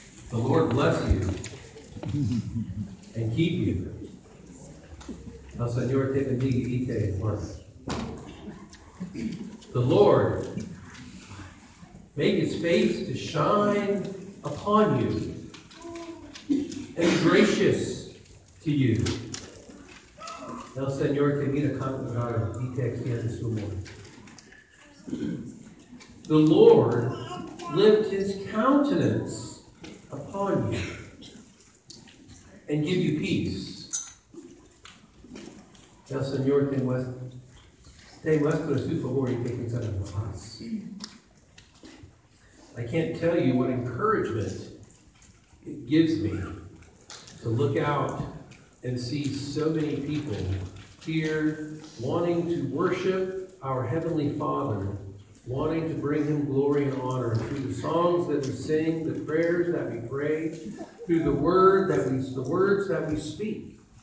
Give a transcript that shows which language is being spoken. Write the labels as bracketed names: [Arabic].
[English] The Lord bless you and keep you. [Spanish] El Señor te bendiga y te guarde. [English] The Lord make his face to shine upon you and be gracious to you. [Spanish] El Señor te mira con cuidado y te extiende su mano. [English] The Lord lift his countenance upon you and give you peace. [Spanish] El Señor te muestra su favor y te concede la paz. [English] I can't tell you what encouragement it gives me to look out and see so many people here wanting to worship our Heavenly Father, wanting to bring him glory and honor through the songs that we sing, the prayers that we pray, through the words that we speak.